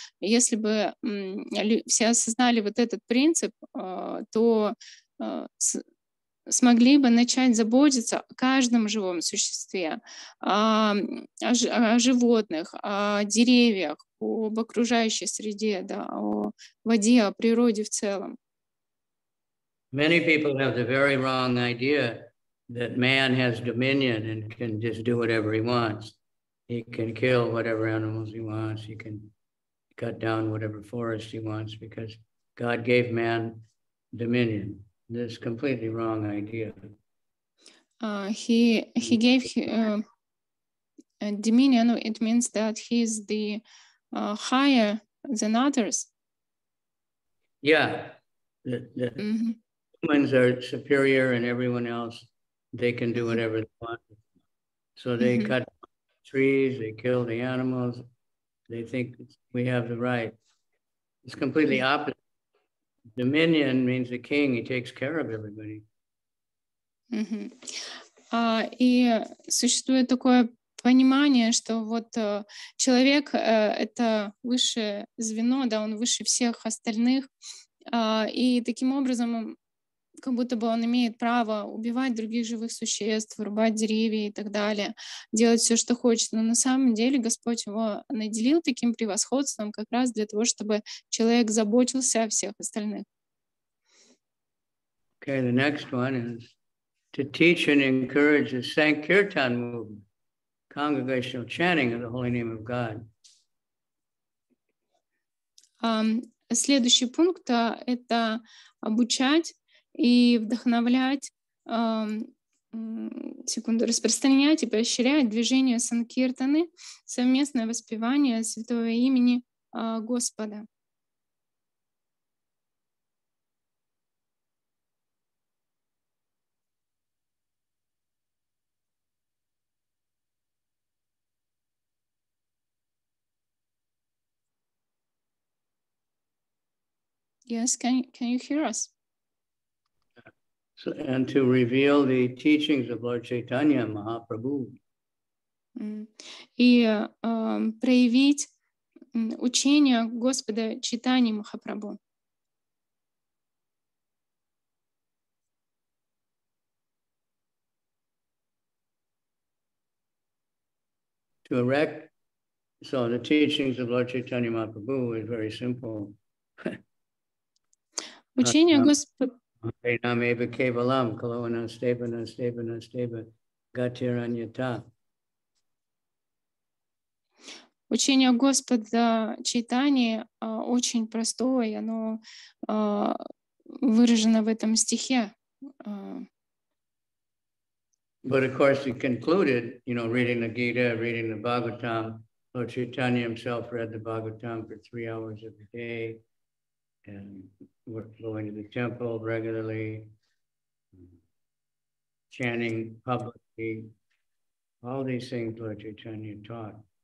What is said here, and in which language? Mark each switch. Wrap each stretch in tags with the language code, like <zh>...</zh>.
<ru>Если бы все осознали вот этот принцип, то смогли бы начать заботиться о каждом живом существе, о животных, о деревьях, об окружающей среде, да, о воде, о природе в целом.</ru> <en>Many people have the very wrong idea that man has dominion and can just do whatever he wants. He can kill whatever animals he wants. He can cut down whatever forest he wants because God gave man dominion. This completely wrong idea. He gave dominion. It means that he's the higher than others. Yeah. The mm-hmm. Humans are superior and everyone else, they can do whatever they want. So they mm-hmm. cut trees, they kill the animals. They think we have the right. It's completely mm-hmm. opposite. Dominion means the king, he takes care of everybody.</en> <ru>И существует такое понимание, что вот человек это высшее звено, да, он выше всех остальных, и таким образом как будто бы он имеет право убивать других живых существ, рубать деревья и так далее, делать все, что хочет. Но на самом деле Господь его наделил таким превосходством как раз для того, чтобы человек заботился о всех остальных.</ru> <en>Okay, the next one is to teach and encourage the Sankirtan movement, congregational chanting of the holy name of God.</en> <ru>Следующий пункт — это обучать и вдохновлять, распространять и поощрять движение Санкиртаны, совместное воспевание святого имени Господа.</ru> <en>Yes, can you hear us? So, and to reveal the teachings of Lord Chaitanya Mahaprabhu.</en> <ru>И проявить учение Господа Чайтаньи Махапрабху.</ru> <en>to erect. So the teachings of Lord Chaitanya Mahaprabhu is very simple.</en> <ru>Учение Господа Чайтани очень простое, оно выражено в этом стихе.</ru> <en>But of course he concluded, you know, reading the Gita, reading the Bhagavatam. Lord Chaitanya himself read the Bhagavatam for 3 hours every day. And we're going to the temple regularly, chanting publicly, all these things Lord Chaitanya taught.</en>